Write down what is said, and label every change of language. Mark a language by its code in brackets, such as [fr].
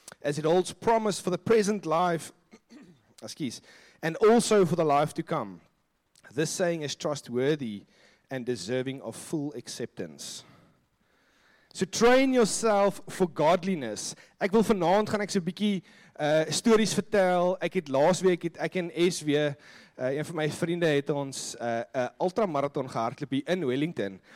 [en] As it holds promise for the present life, and also for the life to come. This saying is trustworthy and deserving of full acceptance. So train yourself for godliness. [af] Ek wil vanavond gaan ek so bietjie stories vertel. Ek het laas week, ek en SW, een van my vriende het ons ultramarathon gehardloop hier in Wellington.